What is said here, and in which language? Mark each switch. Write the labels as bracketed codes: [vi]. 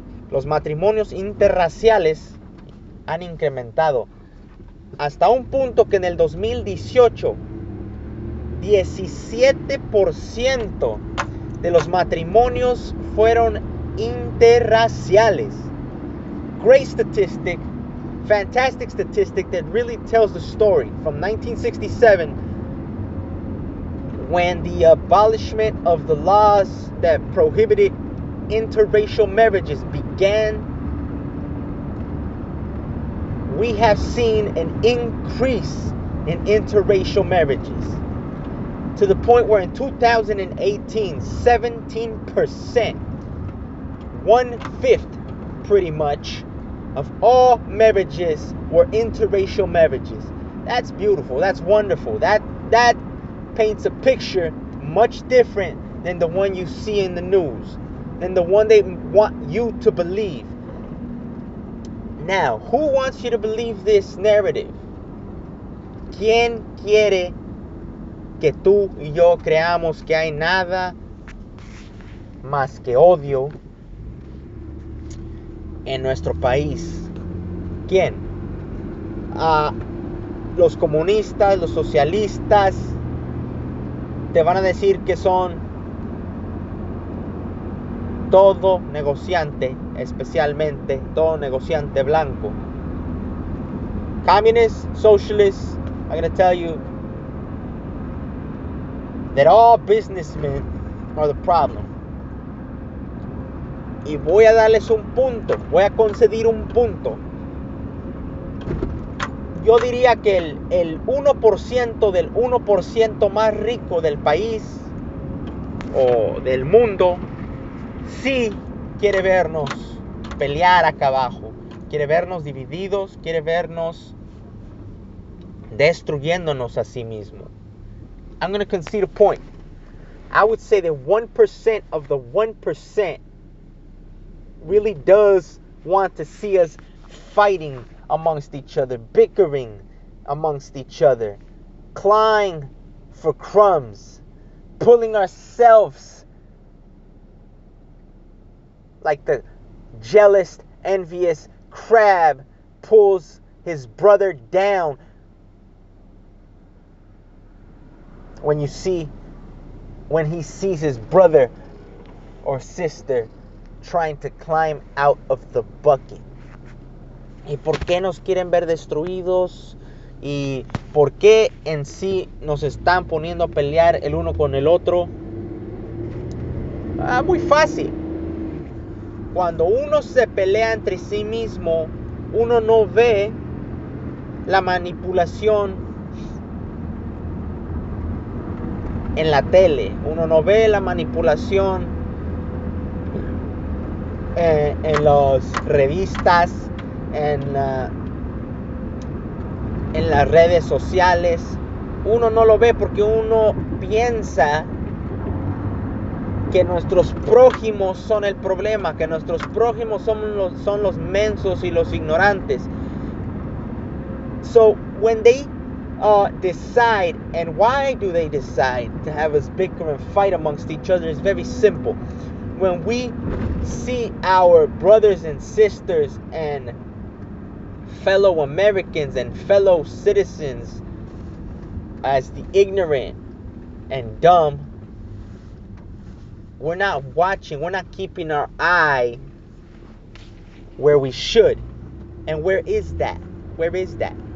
[es] Los matrimonios interraciales han incrementado hasta un punto que en el 2018, 17% de los matrimonios fueron interraciales. [en] Great statistic, fantastic statistic that really tells the story from 1967, when the abolishment of the laws that prohibited interracial marriages began. We have seen an increase in interracial marriages to the point where in 2018, 17%, one-fifth pretty much, of all marriages were interracial marriages. That's beautiful. That's wonderful. That paints a picture much different than the one you see in the news, than the one they want you to believe. Now, who wants you to believe this narrative? [es] ¿Quién quiere que tú y yo creamos que hay nada más que odio en nuestro país? ¿Quién? Los comunistas, los socialistas, te van a decir que son todo negociante, especialmente todo negociante blanco. [en] Communists, socialists, I'm going to tell you that all businessmen are the problem. [es] Y voy a darles un punto, voy a conceder un punto. Yo diría que el 1% del 1% más rico del país o del mundo sí quiere vernos pelear acá abajo, quiere vernos divididos, quiere vernos destruyéndonos a sí mismo. [en] I'm going to concede a point. I would say that 1% of the 1% really does want to see us fighting amongst each other, bickering amongst each other, clawing for crumbs, pulling ourselves like the jealous, envious crab pulls his brother down. When he sees his brother or sister trying to climb out of the bucket. [es] ¿Y por qué nos quieren ver destruidos? ¿Y por qué en sí nos están poniendo a pelear el uno con el otro? Muy fácil. Cuando uno se pelea entre sí mismo, uno no ve la manipulación en la tele. Uno no ve la manipulación en las revistas, en las redes sociales. Uno no lo ve porque uno piensa que nuestros prójimos son el problema, que nuestros prójimos son los mensos y los ignorantes. [en] So when they decide, and why do they decide to have us bicker and fight amongst each other, it's very simple. When we see our brothers and sisters and fellow Americans and fellow citizens as the ignorant and dumb, we're not watching, we're not keeping our eye where we should. And where is that? Where is that?